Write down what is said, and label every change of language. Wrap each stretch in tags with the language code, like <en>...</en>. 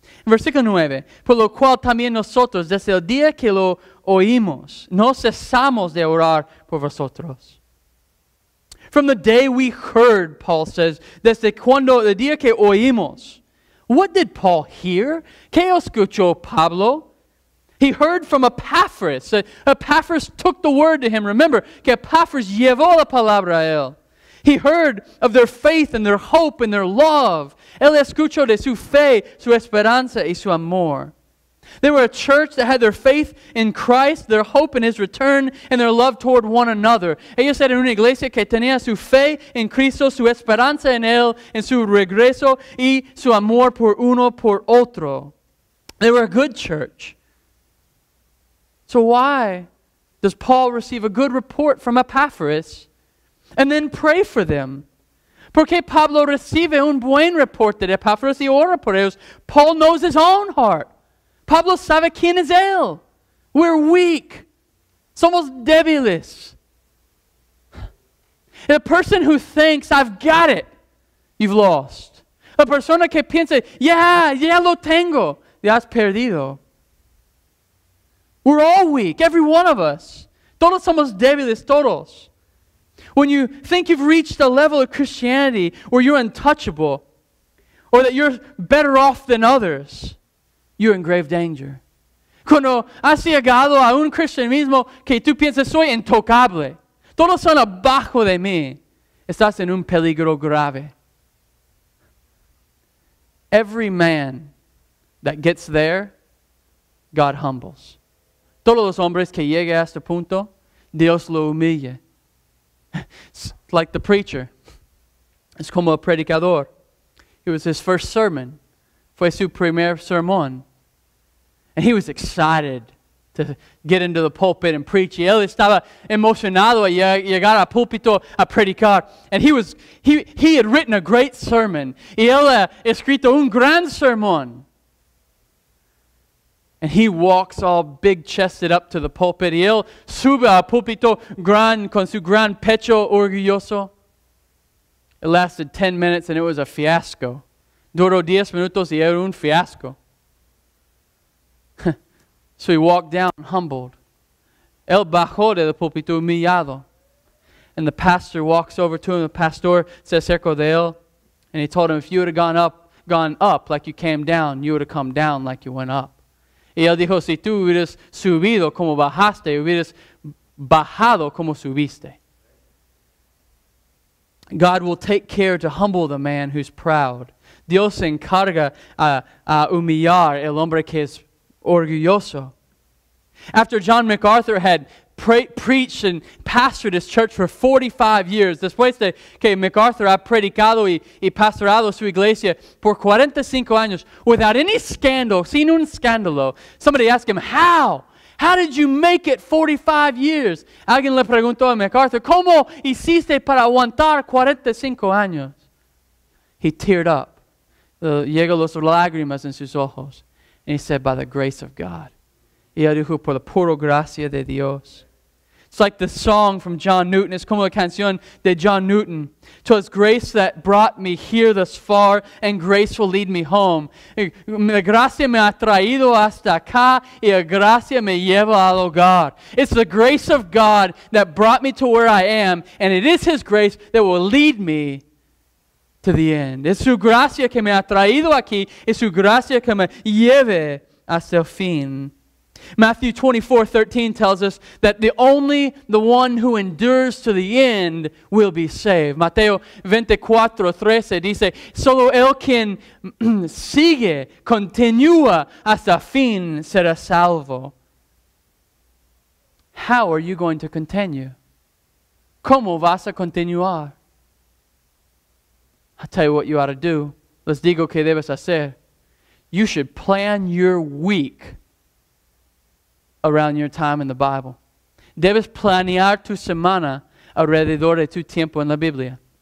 <es>Versículo 9, "Por lo cual también nosotros, desde el día que lo oímos, no cesamos de orar por vosotros."</es> <en>From the day we heard, Paul says,</en> <es>desde cuando, el día que oímos.</es> <en>What did Paul hear?</en> <es>¿Qué escuchó Pablo?</es> <en>He heard from Epaphras. Epaphras took the word to him.</en> <es>Remember, que Epaphras llevó la palabra a él.</es> <en>He heard of their faith and their hope and their love.</en> <es>Él escuchó de su fe, su esperanza y su amor.</es> <en>They were a church that had their faith in Christ, their hope in His return, and their love toward one another.</en> <es>Ellos eran una iglesia que tenía su fe en Cristo, su esperanza en Él, en su regreso y su amor por uno por otro.</es> <en>They were a good church. So why does Paul receive a good report from Epaphras and then pray for them?</en> <es>¿Por qué Pablo recibe un buen reporte de Epaphras y ora por ellos?</es> <en>Paul knows his own heart.</en> <es>Pablo sabe quién es él.</es> <en>We're weak.</en> <es>Somos débiles.</es> <en>A person who thinks, "I've got it," you've lost.</en> <es>A persona que piensa, ya lo tengo, ya has perdido.</es> <en>We're all weak, every one of us.</en> <es>Todos somos débiles, todos.</es> <en>When you think you've reached a level of Christianity where you're untouchable, or that you're better off than others, you're in grave danger.</en> <es>Cuando has llegado a un cristianismo que tú piensas, soy intocable, todos son abajo de mí, estás en un peligro grave.</es> <en>Every man that gets there, God humbles.</en> <es>Todos los hombres que llegan a este punto, Dios lo humilla.</es> <en>It's like the preacher.</en> <es>Es como el predicador.</es> <en>It was his first sermon.</en> <es>Fue su primer sermón.</es> <en>And he was excited to get into the pulpit and preach.</en> <es>Él estaba emocionado a llegar al púlpito a predicar.</es> <en>And he had written a great sermon.</en> <es>Y él ha escrito un gran sermón.</es> <en>And he walks all big-chested up to the pulpit.</en> <es>Y él sube al púlpito gran, con su gran pecho orgulloso.</es> <en>It lasted 10 minutes and it was a fiasco.</en> <es>Duró 10 minutos y era un fiasco.</es> <en>So he walked down humbled.</en> <es>Él bajó de la púlpito humillado.</es> <en>And the pastor walks over to him. The pastor</en> <es>se acercó de él.</es> <en>And he told him, "If you would have gone up like you came down, you would have come down like you went up."</en> <es>Y él dijo, si tú hubieras subido como bajaste, hubieras bajado como subiste.</es> <en>God will take care to humble the man who's proud.</en> <es>Dios se encarga a humillar el hombre que es orgulloso.</es> <en>After John MacArthur had preached and pastored his church for 45 years,</en> <es>después de que MacArthur ha predicado y pastorado su iglesia por 45 años,</es> <en>without any scandal,</en> <es>sin un escándalo,</es> <en>somebody asked him, "How? How did you make it 45 years?</en> <es>Alguien le preguntó a MacArthur, "¿Cómo hiciste para aguantar 45 años?"</es> <en>He teared up.</en> <es>Llegó los lágrimas en sus ojos.</es> <en>And he said, "By the grace of God."</en> <es>Y él dijo, por la pura gracia de Dios.</es> <en>It's like the song from John Newton.</en> <es>Es como la canción de John Newton.</es> <en>"'Twas grace that brought me here thus far, and grace will lead me home.</en> <es>La gracia me ha traído hasta acá, y la gracia me lleva al hogar."</es> <en>It's the grace of God that brought me to where I am, and it is His grace that will lead me to the end.</en> <es>Es su gracia que me ha traído aquí, es su gracia que me lleve hasta el fin.</es> <en>Matthew 24:13 tells us that the one who endures to the end will be saved.</en> <es>Mateo 24:13 dice, solo el quien sigue, continúa hasta fin será salvo.</es> <en>How are you going to continue?</en> <es>¿Cómo vas a continuar?</es> <en>I'll tell you what you ought to do.</en> <es>Les digo que debes hacer.</es> <en>You should plan your week around your time in the Bible.</en> <es>Debes planear tu semana alrededor de tu tiempo en la Biblia.</es>